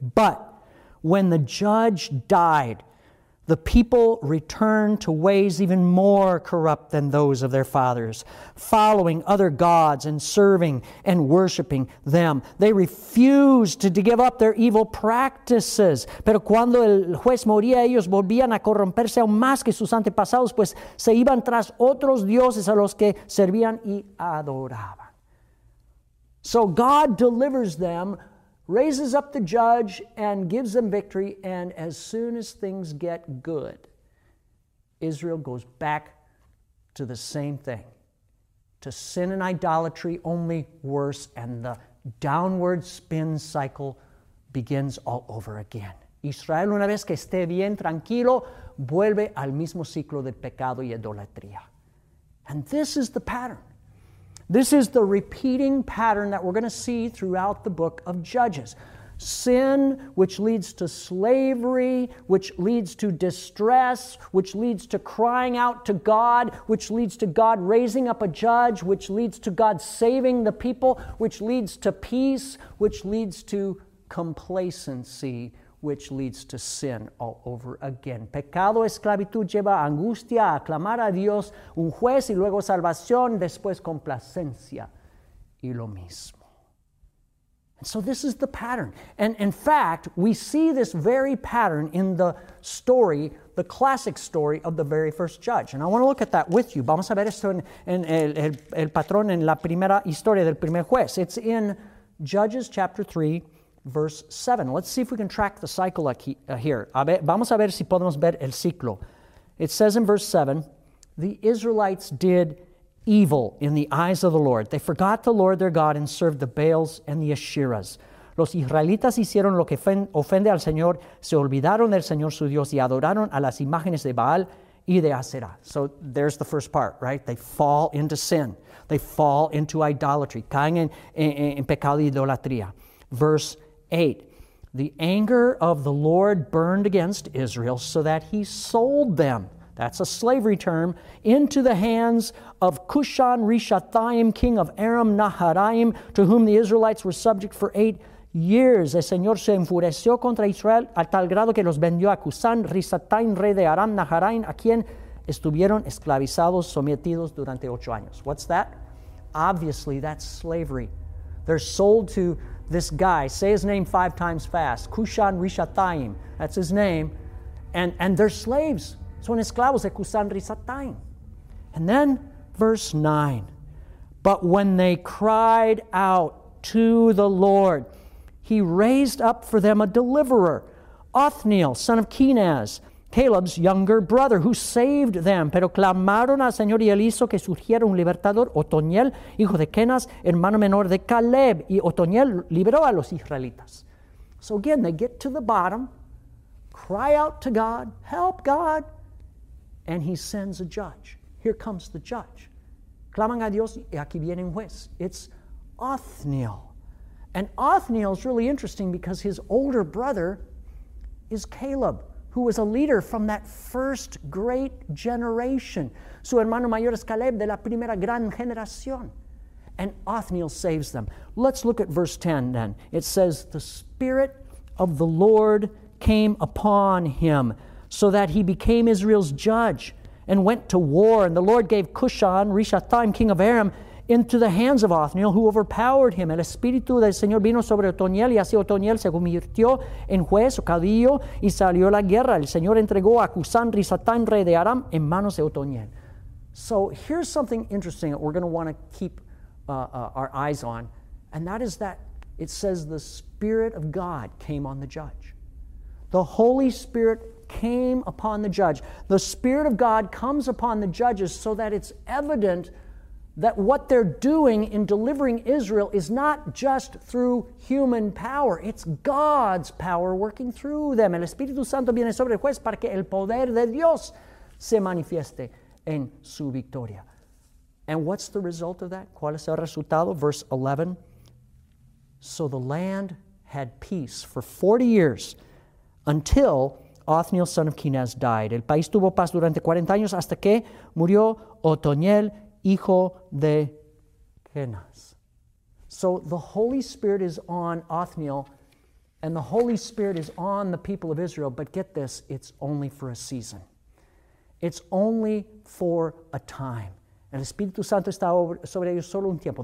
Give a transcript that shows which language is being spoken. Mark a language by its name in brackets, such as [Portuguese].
[English] But when the judge died, the people returned to ways even more corrupt than those of their fathers, following other gods and serving and worshiping them. They refused to give up their evil practices. [Spanish] Pero cuando el juez moría, ellos volvían a corromperse aún más que sus antepasados, pues se iban tras otros dioses a los que servían y adoraban. [English] So God delivers them, raises up the judge and gives them victory, and as soon as things get good, Israel goes back to the same thing, to sin and idolatry, only worse, and the downward spin cycle begins all over again. [Spanish] Israel, una vez que esté bien, tranquilo, vuelve al mismo ciclo de pecado y idolatría. [English] And this is the pattern. This is the repeating pattern that we're going to see throughout the book of Judges. Sin, which leads to slavery, which leads to distress, which leads to crying out to God, which leads to God raising up a judge, which leads to God saving the people, which leads to peace, which leads to complacency, which leads to sin all over again. [Spanish] Pecado, esclavitud, lleva angustia, a clamar a Dios, un juez, y luego salvación, después complacencia, y lo mismo. [English] And so this is the pattern. And in fact, we see this very pattern in the story, the classic story of the very first judge. And I want to look at that with you. [Spanish] Vamos a ver esto en el patrón en la primera historia del primer juez. [English] It's in Judges chapter 3, verse 7. Let's see if we can track the cycle here. [Spanish] Vamos a ver si podemos ver el ciclo. [English] It says in verse 7, the Israelites did evil in the eyes of the Lord. They forgot the Lord their God and served the Baals and the Asherahs. [Spanish] Los israelitas hicieron lo que ofende al Señor. Se olvidaron del Señor su Dios y adoraron a las imágenes de Baal y de Asherah. [English] So there's the first part, right? They fall into sin. They fall into idolatry. [Spanish] Caen en pecado y idolatría. [English] Verse 8, the anger of the Lord burned against Israel so that he sold them, that's a slavery term, into the hands of Cushan-Rishathaim, king of Aram-Naharaim, to whom the Israelites were subject for 8 [Spanish] years, el Señor se enfureció contra Israel a tal grado que los vendió a Cusán, Risatain, rey de Aram, Naharaim, a quien estuvieron esclavizados, sometidos durante 8 años. [English] What's that? Obviously, that's slavery. They're sold to this guy. Say his name 5 times fast. Cushan Rishathaim. That's his name. And they're slaves. [Spanish] Son esclavos de Cushan Rishathaim. [English] And then verse 9. But when they cried out to the Lord, he raised up for them a deliverer, Othniel, son of Kenaz, Caleb's younger brother, who saved them. [Spanish] Pero clamaron al Señor y él hizo que surgiera un libertador, Otoniel, hijo de Kenaz, hermano menor de Caleb. Y Otoniel liberó a los israelitas. [English] So again, they get to the bottom, cry out to God, help God, and he sends a judge. Here comes the judge. [Spanish] Claman a Dios y aquí viene un juez. [English] It's Othniel. And Othniel is really interesting because his older brother is Caleb, who was a leader from that first great generation. [Spanish] Su hermano mayor es Caleb, de la primera gran generación. [English] And Othniel saves them. Let's look at verse 10 then. It says, the Spirit of the Lord came upon him, so that he became Israel's judge and went to war. And the Lord gave Cushan, Rishathaim, king of Aram, into the hands of Othniel, who overpowered him. [Spanish] El espíritu del Señor vino sobre Otoniel, y así Otoniel se convirtió en juez o caudillo, y salió a la guerra. El Señor entregó a Cusán, Risatán, rey de Aram, en manos de Otoniel. [English] So here's something interesting that we're going to want to keep our eyes on, and that is that it says the Spirit of God came on the judge. The Holy Spirit came upon the judge. The Spirit of God comes upon the judges so that it's evident that what they're doing in delivering Israel is not just through human power. It's God's power working through them. [Spanish] El Espíritu Santo viene sobre el juez para que el poder de Dios se manifieste en su victoria. [English] And what's the result of that? [Spanish] ¿Cuál es el resultado? [English] Verse 11. So the land had peace for 40 years until Othniel, son of Kenaz, died. [Spanish] El país tuvo paz durante 40 años hasta que murió Otoniel, hijo de Kenaz. [English] So the Holy Spirit is on Othniel, and the Holy Spirit is on the people of Israel, but get this, it's only for a season. It's only for a time. [Spanish] El Espíritu Santo está sobre ellos solo un tiempo.